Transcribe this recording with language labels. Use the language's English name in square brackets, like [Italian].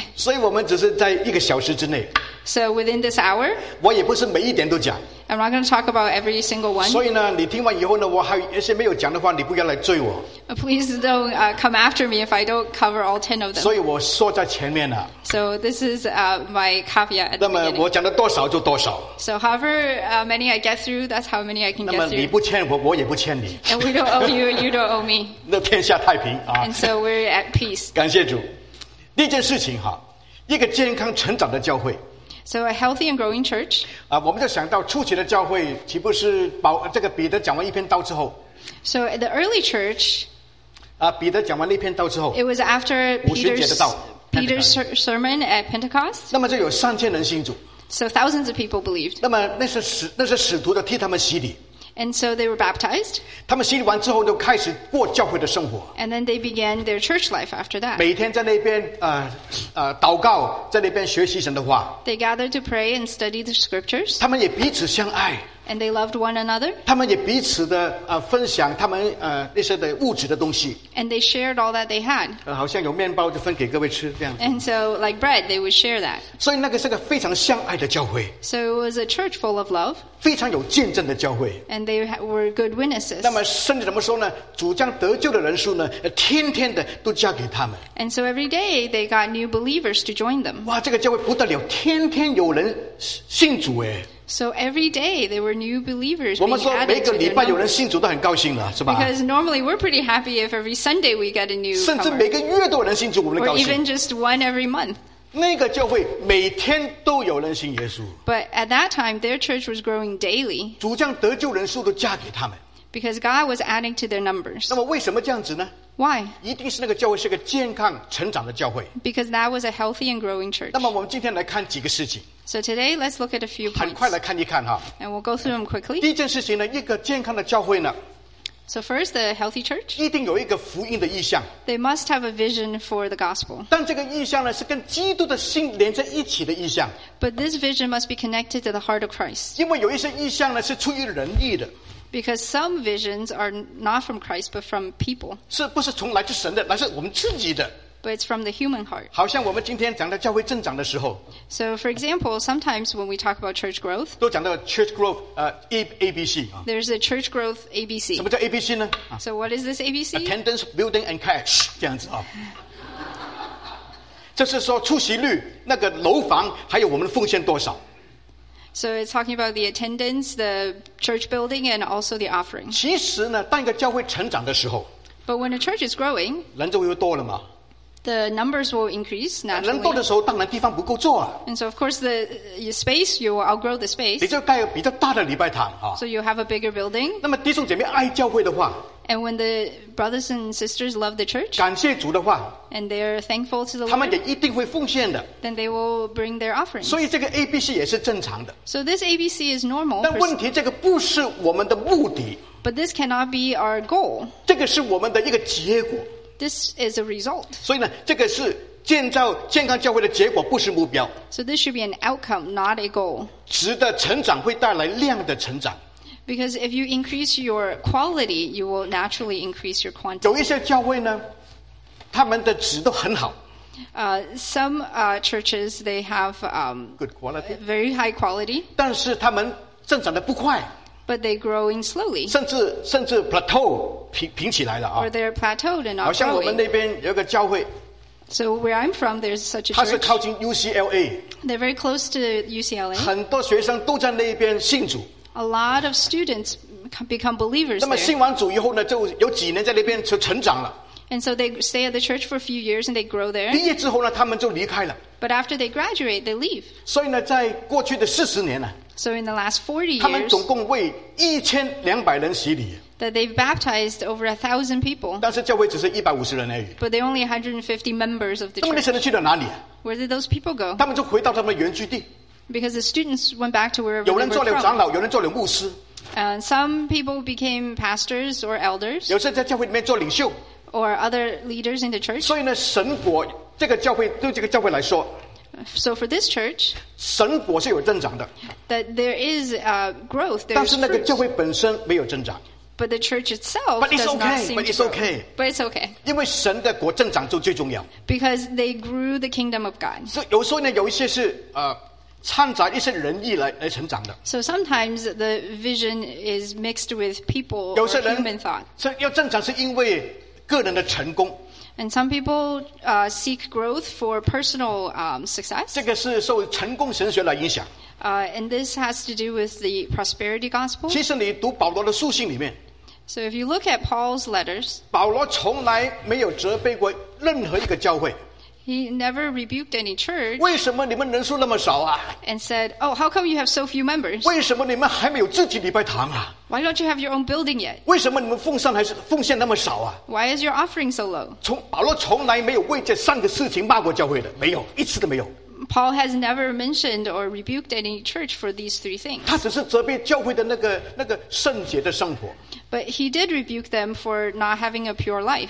[Chinese] 所以我们只是在一个小时之内。 [English] So within this hour. [Chinese] 我也不是每一点都讲。 [English] I'm not going to talk about every single one. [Chinese] 所以呢，你听完以后呢，我还有一些没有讲的话，你不要来追我。 [English] Please don't come after me if I don't cover all 10 of them. [Chinese] 所以我说在前面了。 [English] So this is my caveat. [Chinese] 那么我讲的多少就多少。 [English] So however many I get through, that's how many I can get through. [Chinese] 那么你不欠我，我也不欠你。 [English] And we don't owe you, you don't owe me. [Chinese] 那天下太平啊。 [English] And so we're at peace. [Chinese] 感谢主。第一件事情哈，一个健康成长的教会。 [English] So a healthy and growing church. [Chinese] 我们就想到初期的教会，岂不是这个彼得讲完一篇道之后 [English] ？So the early church. [Chinese] 彼得讲完那篇道之后 [English] ，It was after Peter's sermon at Pentecost. [Chinese] 那么就有3000人信主。 [English] So thousands of people believed. [Chinese] 那么那是使徒的替他们洗礼。 [English] And so they were baptized. [Chinese] 他们洗礼完之后就开始过教会的生活。 [English] And then they began their church life after that. [Chinese] 每天在那边祷告，在那边学习神的话。 [English] They gathered to pray and study the scriptures. [Chinese] 他们也彼此相爱。 [English] And they loved one another. [Chinese] 他们也彼此的分享他们那些的物质的东西。 [English] And they shared all that they had. [Chinese] 好像有面包就分给各位吃这样。 [English] And so, like bread, they would share that. [Chinese] 所以那个是个非常相爱的教会。 [English] So it was a church full of love. [Chinese] 非常有见证的教会。 [English] And they were good witnesses. [Chinese] 那么甚至怎么说呢？主将得救的人数呢，天天的都加给他们。 [English] And so every day they got new believers to join them. [Chinese] 哇，这个教会不得了，天天有人信主哎。 [English] So every day there were new believers. [Chinese] 我们说每个礼拜有人信主都很高兴了，是吧 [English] ？Because normally we're pretty happy if every Sunday we get a new. [Chinese] 甚至每个月都有人信主，我们高兴。 [English] Or even just one every month. [Chinese] 那个教会每天都有人信耶稣。 [English] But at that time their church was growing daily. [Chinese] 主将得救人数都加给他们。 [English] Because God was adding to their numbers. [Chinese] 那么为什么这样子呢？ [English] Why? [Chinese] 一定是那个教会是个健康成长的教会。 [English] Because that was a healthy and growing church. [Chinese] 那么我们今天来看几个事情。 [English] So today, let's look at a few points. [Chinese] 很快来看一看哈。 [English] And we'll go through them quickly. [Chinese] 第一件事情呢, 一个健康的教会呢, [English] So first, the healthy church. [Chinese] 一定有一个福音的意象。 [English] They must have a vision for the gospel. [Chinese] 但这个意象呢, 是跟基督的心连在一起的意象。 [English] But this vision must be connected to the heart of Christ. [Chinese] 因为有一些意象呢, 是出于人意的。 [English] Because some visions are not from Christ, but from people. [Chinese] 是不是从来自神的, 乃是我们自己的。 [English] But it's from the human heart. [Chinese] 好像我们今天讲的教会增长的时候, [English] so for example, sometimes when we talk about church growth, [Chinese] 都讲到 [English] church growth, [Chinese] ABC, [English] there's a church growth ABC. [Chinese] 什么叫ABC呢? [English] So what is this ABC? Attendance, building, and cash. [Chinese] 这样子, 这是说出席率, 那个楼房, 还有我们奉献多少。 [English] So it's talking about the attendance, the church building, and also the offering. [Chinese] 其实呢, 当一个教会成长的时候, [English] but when a church is growing, [Chinese] 人就会多了嘛。 [English] The numbers will increase naturally. And so of course the space, you will outgrow the space. So you'll have a bigger building. [Chinese] 那么弟兄姐妹爱教会的话, [English] and when the brothers and sisters love the church, [Chinese] 感谢主的话, [English] and they are thankful to the Lord, [Chinese] 他们也一定会奉献的, [English] then they will bring their offerings. [Chinese] 所以这个ABC也是正常的, [English] so this ABC is normal. [Chinese] 但问题这个不是我们的目的, [English] but this cannot be our goal. [Chinese] 这个是我们的一个结果。 [English] This is a result. [Chinese] 所以呢, 这个是建造健康教会的结果，不是目标。 [English] So this should be an outcome, not a goal. [Chinese] 值得成长会带来量的成长。 [English] Because if you increase your quality, you will naturally increase your quantity. [Chinese] 有一些教会呢, 他们的值都很好。 [English] Some churches, they have good quality, very high quality. [Chinese] 但是他们增长得不快。 [English] But they're growing slowly. [Chinese] 甚至 plateau 平起来了啊。 [English] Or they're plateaued and not growing. [Chinese] 好像我们那边有个教会。 [English] So where I'm from, there's such a church. [Chinese] 它是靠近 UCLA. [English] They're very close to UCLA. [Chinese] 很多学生都在那边信主。 [English] A lot of students become believers there. [Chinese] 那么信完主以后呢, 就有几年在那边成长了。 [English] And so they stay at the church for a few years and they grow there. [Chinese] 毕业之后呢, 他们就离开了。 [English] But after they graduate, they leave. [Chinese] 所以呢, 在过去的40年呢, [English] so in the last 40 years, [Chinese] 他们总共为1200人洗礼, [English] that they've baptized over 1,000 people. [Chinese] 但是教会只是150人而已, [English] but they only 150 members of the church. [Chinese] 那么那些人去了哪里? [English] Where did those people go? [Chinese] 他们就回到他们原居地。 [English] Because the students went back to where they were from. [Chinese] 有人做了长老, 有人做了牧师。 [English] And some people became pastors or elders. [Chinese] 有些在教会里面做领袖。 [English] Or other leaders in the church. [Chinese] 所以呢, 神国, 这个教会, 对这个教会来说, [English] so for this church, [Chinese] 神国是有增长的, [English] that there is growth, there is fruit. [Chinese] 但是那个教会本身没有增长, [English] but the church itself does okay, not seem but it's okay. But it's okay. [Chinese] 因为神的国增长就最重要, [English] because they grew the kingdom of God. [Chinese] 所以有时候呢, 有一些是, 掺杂一些人意来成长的。 [English] So sometimes the vision is mixed with people or human thought. [Chinese] 要增长是因为 个人的成功, [English] and some people seek growth for personal success. [Chinese] 这个是受成功神学来影响, [English] and this has to do with the prosperity gospel. [Chinese] 其实你读保罗的书信里面, [English] so if you look at Paul's letters, [Chinese] 保罗从来没有责备过任何一个教会, [English] he never rebuked any church. [Chinese] 为什么你们人数那么少啊? [English] And said, oh, how come you have so few members? [Chinese] 为什么你们还没有自己礼拜堂啊? [English] Why don't you have your own building yet? [Chinese] 为什么你们奉献那么少啊? [English] Why is your offering so low? [Chinese] 保罗从来没有为这三个事情骂过教会的，没有，一次都没有。 [English] Paul has never mentioned or rebuked any church for these three things. [Chinese] 他只是责备教会的那个圣洁的生活。 [English] But he did rebuke them for not having a pure life.